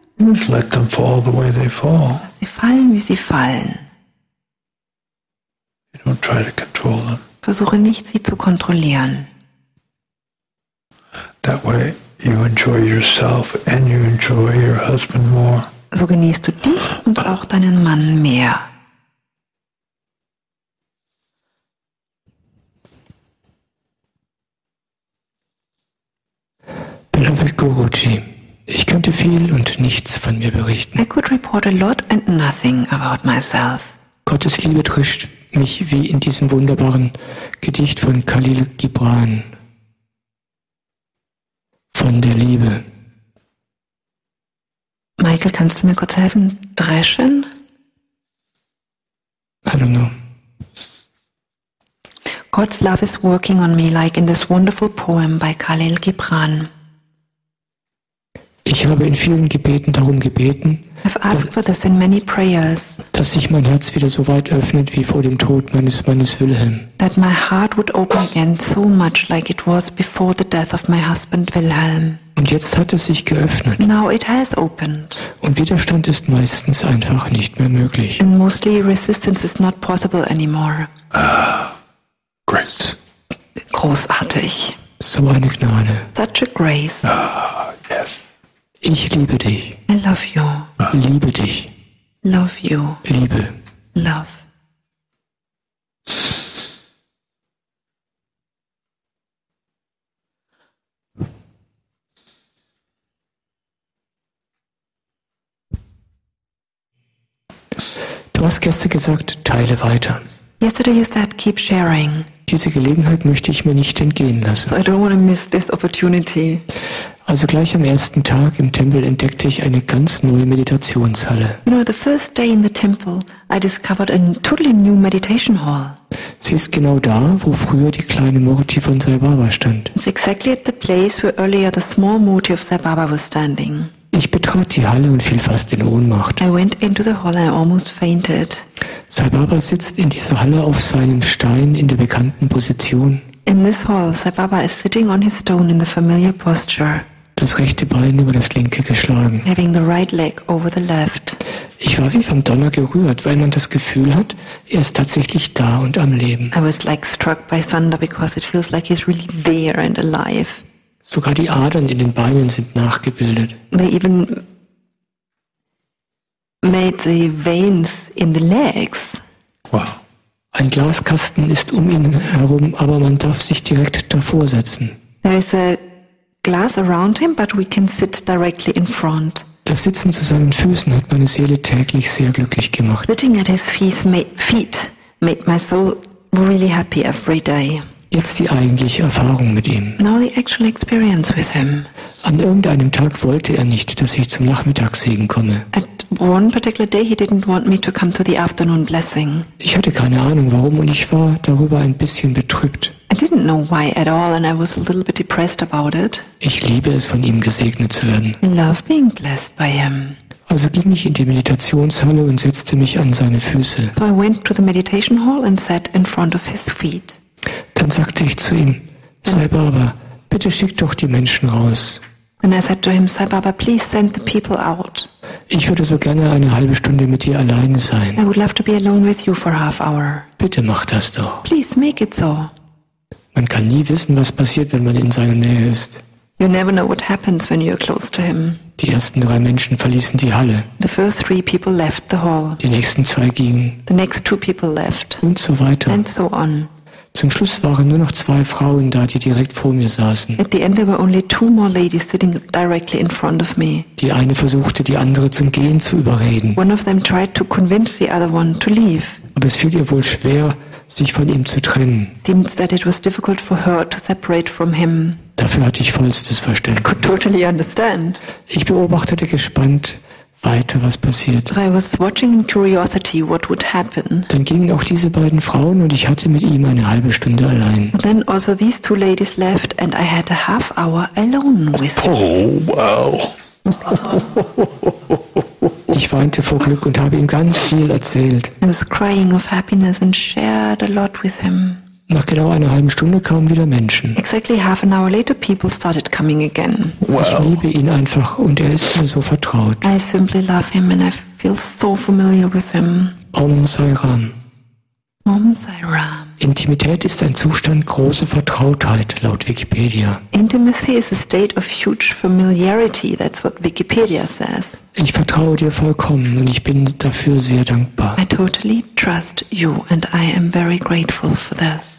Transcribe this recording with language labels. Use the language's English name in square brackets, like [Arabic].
[English] Just let them fall the way they fall. [German] Sie fallen, wie sie fallen. [English] You don't try to control them. [German] Versuche nicht, sie zu kontrollieren. [English] That way. You enjoy yourself and you enjoy your husband more. [German] So genießt du dich und auch deinen Mann mehr. [English] Beloved Guruji, [German] ich könnte viel und nichts von mir berichten. [English] I could report a lot and nothing about myself. [German] Gottes Liebe trischt mich wie in diesem wunderbaren Gedicht von Khalil Gibran. Von der Liebe. Michael, kannst du mir kurz helfen? Dreschen? [English] I don't know. God's love is working on me like in this wonderful poem by Khalil Gibran. [German] Ich habe in vielen Gebeten darum gebeten, [English] I've asked for this in many prayers, [German] dass sich mein Herz wieder so weit öffnet wie vor dem Tod meines Mannes Wilhelm. [English] That my heart would open again so much like it was before the death of my husband Wilhelm. [German] Und jetzt hat es sich geöffnet. [English] Now it has opened. [German] Und Widerstand ist meistens einfach nicht mehr möglich. [English] And mostly resistance is not possible anymore. Great. [German] Großartig. So eine Gnade. [English] Such a grace. [German] Ich liebe dich. [English] I love you. [German] Liebe dich. [English] Love you. [German] Liebe. [English] Love. [German] Du hast gestern gesagt, teile weiter. [English] Yesterday you said, keep sharing. [German] Diese Gelegenheit möchte ich mir nicht entgehen lassen. [English] So I don't want to miss this opportunity. [German] Also gleich am ersten Tag im Tempel entdeckte ich eine ganz neue Meditationshalle. [English] You know, the first day in the temple, I discovered a totally new meditation hall. [German] Sie ist genau da, wo früher die kleine Murti von Sai Baba stand. [English] It's exactly at the place where earlier the small Murti of Sai Baba was standing. [German] Ich betrat die Halle und fiel fast in Ohnmacht. [English] I went into the hall and I almost fainted. [German] Sai Baba sitzt in dieser Halle auf seinem Stein in der bekannten Position. [English] In this hall, Sai Baba is sitting on his stone in the familiar posture. [German] Das rechte Bein über das linke geschlagen. [English] Having the right leg over the left. [German] Ich war wie vom Donner gerührt, weil man das Gefühl hat, er ist tatsächlich da und am Leben. [English] I was like struck by thunder because it feels like he's really there and alive. [German] Sogar die Adern in den Beinen sind nachgebildet. [English] They even made the veins in the legs. Wow. [German] Ein Glaskasten ist um ihn herum, aber man darf sich direkt davor setzen. [English] There is a glass around him, but we can sit directly in front. [German] Das Sitzen zu seinen Füßen hat meine Seele täglich sehr glücklich gemacht. [English] Sitting at his feet made my soul really happy every day. [German] Jetzt die eigentliche Erfahrung mit ihm. [English] Now the actual experience with him. [German] An irgendeinem Tag wollte er nicht, dass ich zum Nachmittagssegen komme. [English] At one particular day he didn't want me to come to the afternoon blessing. [German] Ich hatte keine Ahnung warum und ich war darüber ein bisschen betrübt. [English] I didn't know why at all and I was a little bit depressed about it. [German] Ich liebe es, von ihm gesegnet zu werden. [English] I love being blessed by him. [German] Also ging ich in die Meditationshalle und setzte mich an seine Füße. [English] So I went to the meditation hall and sat in front of his feet. [German] Dann sagte ich zu ihm, Sai Baba, bitte schick doch die Menschen raus. [English] And I said to him, Sai Baba, please send the people out. [German] Ich würde so gerne eine halbe Stunde mit dir alleine sein. [English] I would love to be alone with you for a half hour. [German] Bitte mach das doch. [English] Please make it so. [German] Man kann nie wissen, was passiert, wenn man in seiner Nähe ist. [English] You never know what happens when you're close to him. [German] Die ersten drei Menschen verließen die Halle. [English] The first three people left the hall. [German] Die nächsten zwei gingen. [English] The next two people left. [German] Und so weiter. [English] And so on. [German] Zum Schluss waren nur noch zwei Frauen da, die direkt vor mir saßen. [English] At the end there were only two more ladies sitting directly in front of me. [German] Die eine versuchte, die andere zum Gehen zu überreden. [English] One of them tried to convince the other one to leave. [German] Aber es fiel ihr wohl schwer, sich von ihm zu trennen. [English] Seems that it was difficult for her to separate from him. [German] Dafür hatte ich vollstes Verständnis. [English] I could totally understand. [German] Ich beobachtete gespannt weiter, was passiert. [English] So I was watching in curiosity what would happen. [German] Dann gingen auch diese beiden Frauen und ich hatte mit ihm eine halbe Stunde allein. [English] But then also these two ladies left and I had a half hour alone with him. Oh, wow. [German] Ich weinte vor Glück und habe ihm ganz viel erzählt. [English] I was crying of happiness and shared a lot with him. [German] Nach genau einer halben Stunde kamen wieder Menschen. [English] Exactly half an hour later, people started coming again. Wow. [German] Ich liebe ihn einfach und er ist mir so vertraut. [English] I simply love him and I feel so familiar with him. Om Sai Ram. Om Sai Ram. [German] Intimität ist ein Zustand großer Vertrautheit, laut Wikipedia. [English] Intimacy is a state of huge familiarity, that's what Wikipedia says. [German] Ich vertraue dir vollkommen und ich bin dafür sehr dankbar. [English] I totally trust you and I am very grateful for this.